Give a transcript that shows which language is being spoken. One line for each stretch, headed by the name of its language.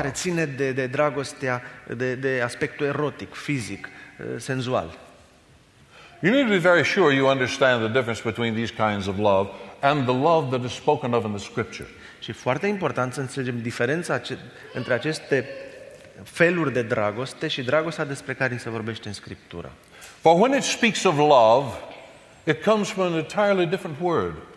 Romanian: Care ține de dragostea, de aspectul erotic, fizic, senzual.
English: You need to be very sure you understand the difference between these kinds of love and the love that is spoken of in the scripture.
Romanian: Și foarte important să înțelegem diferența între aceste feluri de dragoste și dragostea despre care se vorbește în Scriptură.
English: For when it speaks of love, it comes from an entirely different word.